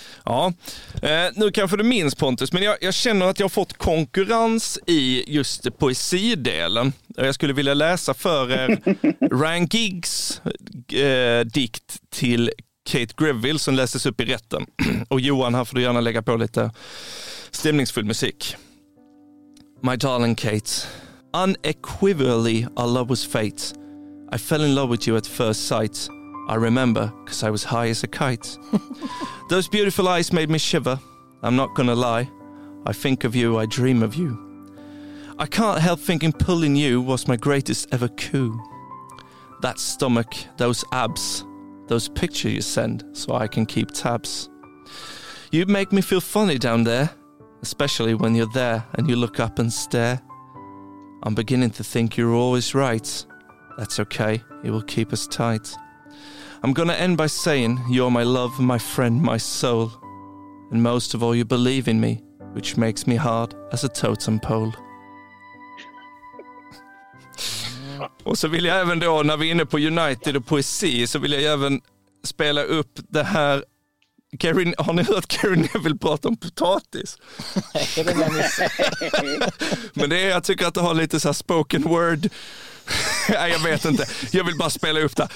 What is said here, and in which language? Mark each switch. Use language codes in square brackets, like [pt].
[sv] Ja, nu kanske du minns Pontus, men jag känner att jag har fått konkurrens i just poesidelen. Jag skulle vilja läsa för er Ryan Giggs dikt till Kate Greville som läses upp i rätten. Och Johan, här får du gärna lägga på lite stämningsfull musik. [en] My darling Kate, unequivocally our love was fate. I fell in love with you at first sight. I remember, 'cause I was high as a kite. Those beautiful eyes made me shiver. I'm not gonna lie. I think of you, I dream of you. I can't help thinking pulling you was my greatest ever coup. That stomach, those abs, those pictures you send so I can keep tabs. You make me feel funny down there, especially when you're there and you look up and stare. I'm beginning to think you're always right. That's okay, it will keep us tight. I'm gonna end by saying you're my love, my friend, my soul. And most of all, you believe in me, which makes me hard as a totem pole. [sv] Och så vill jag även då, när vi är inne på United och poesi, så vill jag även spela upp det här. Gary, har ni hört Gary Neville prata om potatis? Men det är, jag tycker att det har lite så här spoken word. Nej, jag vet inte. Jag vill bara spela upp det.